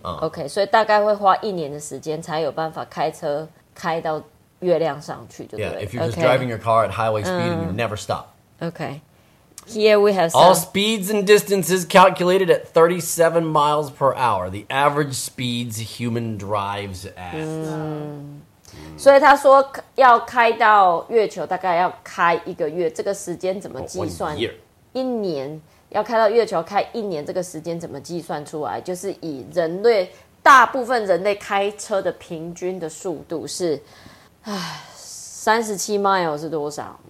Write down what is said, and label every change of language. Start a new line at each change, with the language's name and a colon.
Chinese: OK, 所以大概会花一年的时间才有办法开车开到月亮上去就对
English: 了。Yeah, if you're just driving your car at highway speed and you never stop. OK. Here we have some. All speeds and distances calculated at 37 miles per hour. The average speeds human drives at.
Chinese: 所以他说要开到月球大概要开一个月，这个时间怎么计算？一年要开到月球开一年，这个时间怎么计算出来？就是以人类大部分人类开车的平均的速度是，37 miles 是多少？